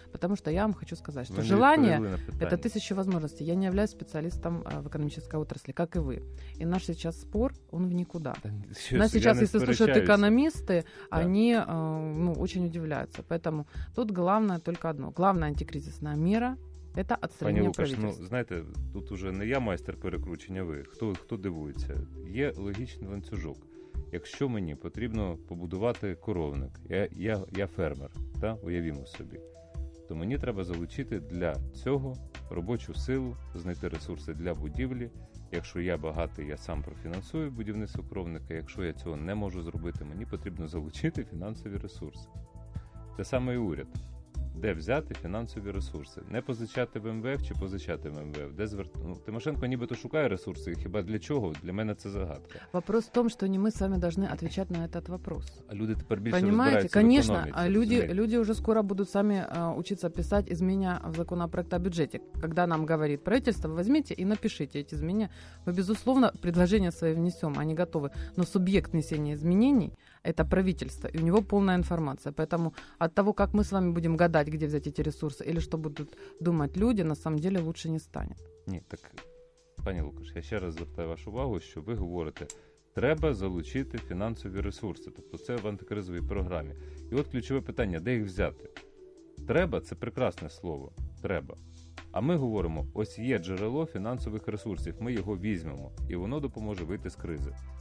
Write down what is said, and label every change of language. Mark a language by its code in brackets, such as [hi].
[uk] Тому що я вам хочу сказати, що желання – це тисяча можливостей. Я не являю спеціалістом в економічній отраслі, як і ви. І наш зараз спор, він в нікуди. У нас зараз, якщо слухають економісти, вони дуже удивляються. Тому тут головне тільки одне. Головна антикризисна міра – [ru] это отстранение правительства. [uk] Ну, знаєте, тут уже не я майстер перекручення, ви. Хто дивується? Є логічний ланцюжок. Якщо мені потрібно побудувати коровник, я фермер, та? Уявімо собі, то мені треба залучити для цього робочу силу, знайти ресурси для будівлі. Якщо я багатий, я сам профінансую будівництво коровника. Якщо я цього не можу зробити, мені потрібно залучити фінансові ресурси. Те саме і уряд. Де взяти фінансові ресурси? Не позичати в МВФ чи позичати в МВФ? Де звернути? Ну, Тимошенко нібито шукає ресурси. Хіба для чого? Для мене це загадка. Вопрос в тому, що не ми з вами повинні відповідати на цей вопрос. А люди тепер більше розбираються в економіці. Звісно, люди вже скоро будуть самі вчитися писати зміни в законопроект о бюджеті. Коли нам говорить правительство, візьміть і напишіть ці зміни. Ми, [ru] безусловно, [uk] пропозиції свої внесемо, вони готові. Але суб'єкт внесення змінень [ru] это правительство, и у него полная информация. Поэтому от того, как мы с вами будем гадать, где взять эти ресурсы, или что будут думать люди, на самом деле лучше не станет. Нет, [uk] так, пані Лукаш, я ще раз звертаю вашу увагу, що ви говорите, треба залучити фінансові ресурси, тобто це в антикризовій програмі. І от ключове питання, де їх взяти? Треба – це прекрасне слово, треба. А ми говоримо, ось є джерело фінансових ресурсів, ми його візьмемо, і воно допоможе вийти з кризи.